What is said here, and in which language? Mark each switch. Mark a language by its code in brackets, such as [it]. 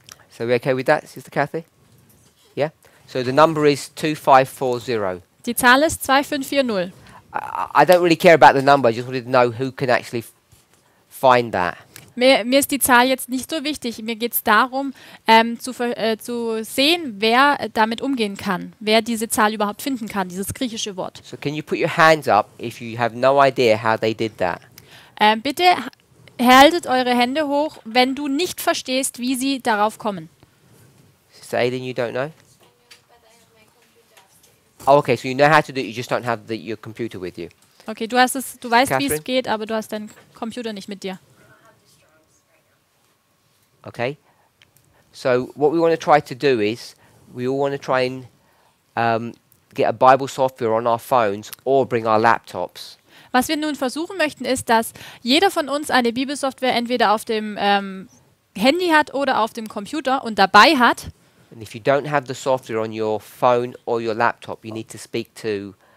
[en] So are we okay with that, Sister Kathy? Yeah? So the number is 2540. [de] Die Zahl ist 2540. [en] I don't really care about the number, I just wanted to know who can actually find that. [de] Mir ist die Zahl jetzt nicht so wichtig. Mir geht es darum, zu sehen, wer damit umgehen kann, wer diese Zahl überhaupt finden kann, dieses griechische Wort. [en] So can you put your hands up if you have no idea how they did that? [de] Bitte haltet eure Hände hoch, wenn du nicht verstehst, wie sie darauf kommen. [en] Sister Aiden, you don't know? Oh, okay, so you know how to do it, you just don't have your computer with you. [de] Okay, du hast es, du weißt, wie es geht, aber du hast deinen Computer nicht mit dir. [en] Okay, so what we want to try to do is, we all want to try and get a Bible software on our phones or bring our laptops. [de] Was wir nun versuchen möchten ist, dass jeder von uns eine Bibelsoftware entweder auf dem Handy hat oder auf dem Computer und dabei hat. [en] And if you don't have the software on your phone or your laptop, you need to speak to...